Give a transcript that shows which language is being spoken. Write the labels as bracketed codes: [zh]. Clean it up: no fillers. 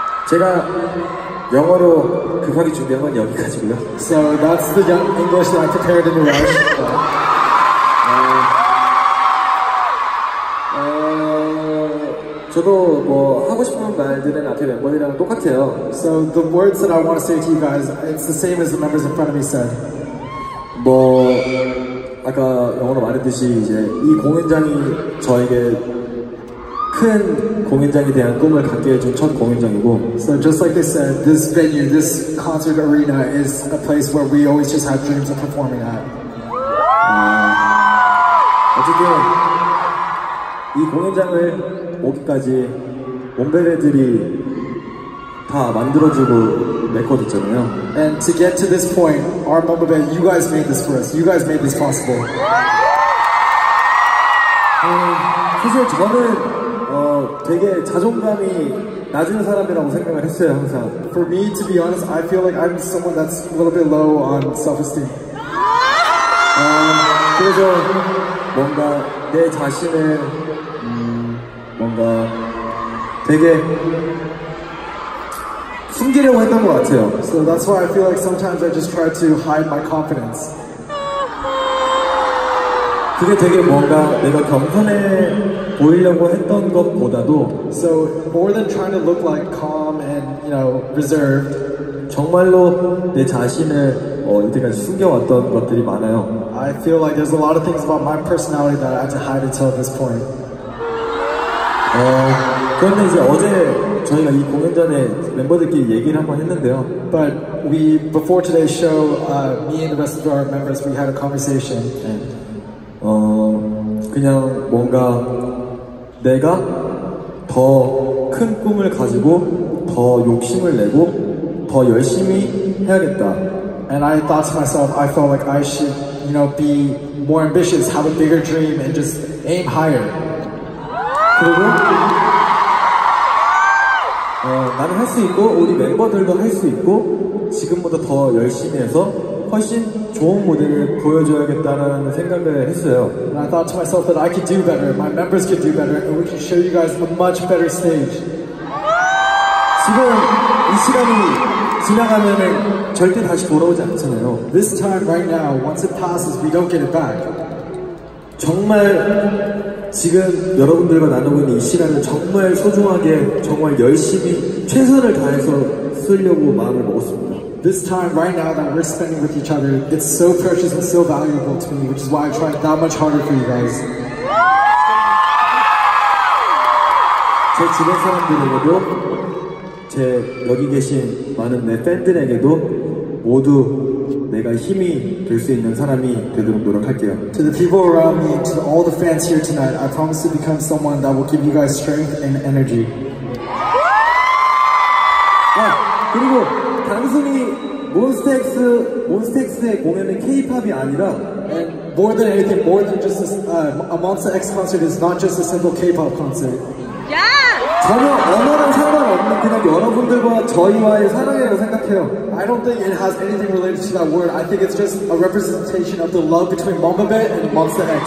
[ko] 제가 영어로 급하게 준비한 건 여기까지고요. [en] So that's the young English that I prepared in the rush. [ko] 저도 뭐 하고 싶은 말들은 앞에 멤버들이랑 똑같아요. [en] So the words that I want to say to you guys, it's the same as the members in front of me said. [ko] 뭐 아까 영어로 말했듯이 이제 이 공연장이 저에게 큰 공연장에 대한 꿈을 갖게 해준 첫 공연장이고. [en] So just like they said, this venue, this concert arena is a place where we always just had dreams of performing at. [ko] 어쨌든 이 공연장을 오기까지 몬베베들이 다 만들어주고 메꿔줬잖아요. [en] And to get to this point, our Mombebe, you guys made this for us. You guys made this possible. [ko] 사실 저는 되게 자존감이 낮은 사람이라고 생각을 했어요, 항상. [en] For me, to be honest, I feel like I'm someone that's a little bit low on self-esteem. [ko] 그래서 뭔가 내 자신을 뭔가 되게 숨기려고 했던 것 같아요. [en] So that's why I feel like sometimes I just try to hide my confidence. [ko] 그게 되게 뭔가 내가 겸손해 보이려고 했던 것보다도 [en] So more than trying to look like calm and, you know, reserved [ko] 정말로 내 자신을 이때까지 숨겨왔던 것들이 많아요. [en] I feel like there's a lot of things about my personality that I had to hide until this point. [ko] 그런데 이제 어제 저희가 이 공연 전에 멤버들끼리 얘기를 한번 했는데요. [en] But we, before today's show, me and the rest of our members, we had a conversation. And [ko] 그냥 뭔가 내가 더 큰 꿈을 가지고 더 욕심을 내고 더 열심히 해야겠다. [en] And I thought to myself, I felt like I should, you know, be more ambitious, have a bigger dream, and just aim higher. [ko] 그리고 나는 할 수 있고 우리 멤버들도 할 수 있고 지금보다 더 열심히 해서 훨씬 좋은 무대를 보여줘야겠다는 생각을 했어요. [en] And I thought to myself that I could do better, my members could do better, and we could show you guys a much better stage. [ko] 지금 이 시간이 지나가면은 절대 다시 돌아오지 않잖아요. [en] This time right now, once it passes, we don't get it back. [ko] 정말 지금 여러분들과 나누고 있는 이 시간을 정말 소중하게 정말 열심히 최선을 다해서 쓰려고 마음을 먹었습니다. [en] This time right now that we're spending with each other, it's so precious and so valuable to me, which is why I tried that much harder for you guys. [ko] 제 주변 사람들에게도 제 여기 계신 많은 내 팬들에게도 모두 내가 힘이 될 수 있는 사람이 되도록 노력할게요. [en] To the people around me, to all the fans here tonight, I promise to become someone that will give you guys strength and energy. [ko] 아, 그리고 단순히 몬스타엑스의 공연은 K-POP이 아니라 [en] And more than anything, more than just a Monster X concert is not just a simple K-POP concert. I don't think it has anything related to that word. I think it's just a representation of the love between Mombabet and Monster X.